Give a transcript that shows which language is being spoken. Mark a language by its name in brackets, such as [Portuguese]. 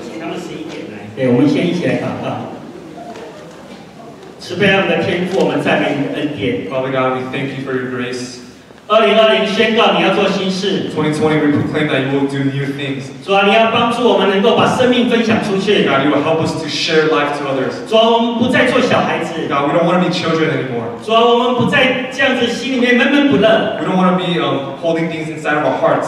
[Chinese] 请他们十一点来。对，我们先一起来祷告。 [English] Father God, we thank you for your grace. [Chinese] 2020宣告你要做新事。 [English] 2020, we proclaim that you will do new things. [Chinese] 主啊，你要帮助我们能够把生命分享出去。 [English] God, you will help us to share life to others. [Chinese] 主啊，我们不再做小孩子。 [English] God, we don't want to be children anymore. [Chinese] 主啊，我们不再这样子心里面闷闷不乐。 [English] We don't want to be holding things inside of our hearts.